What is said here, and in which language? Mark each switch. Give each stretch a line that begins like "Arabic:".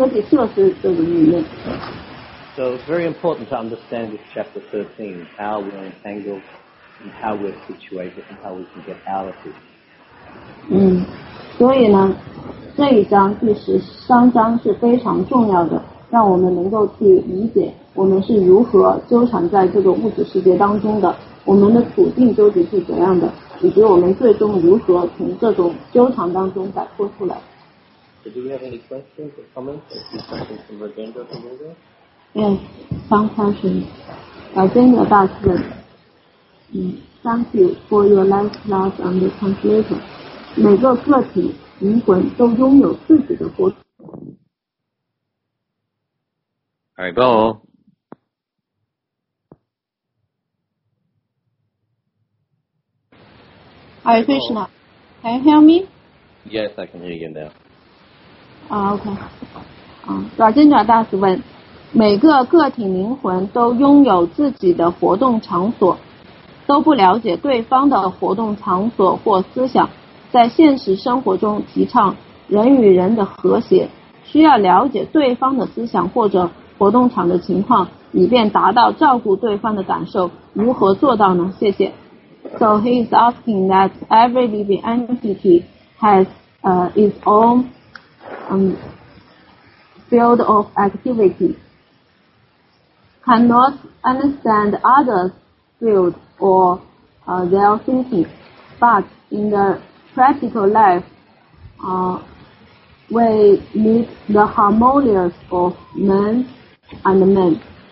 English: So it's very important to understand this chapter 13, how we're entangled and how we're situated and how we can get out of it.
Chinese: 所以呢，这一章第十三章是非常重要的。让我们能够去理解，我们是如何纠缠在这个物质世界当中的，我们的处境究竟是怎样的，以及我们最终如何从这种纠缠当中摆脱出来。
English: So do we have any questions or comments or something from Rajendra from earlier? Yes, thank you for your life, love, and translation.
Chinese: 每个个体灵魂都拥有自己的活。
English: Alright, go. Hi, Krishna. Can you hear me? Yes, I can hear you now. Okay.
Chinese: Rajendra Das 问, 每个个体灵魂都拥有自己的活动场所，都不了解对方的活动场所或思想，在现实生活中提倡人与人的和谐，需要了解对方的思想或者 活动场的情况，以便达到照顾对方的感受，如何做到呢？谢谢.
English: So he is asking that every living entity has its own field of activity, cannot understand others' field or their thinking, but in the practical life, we meet the harmonious of men and men.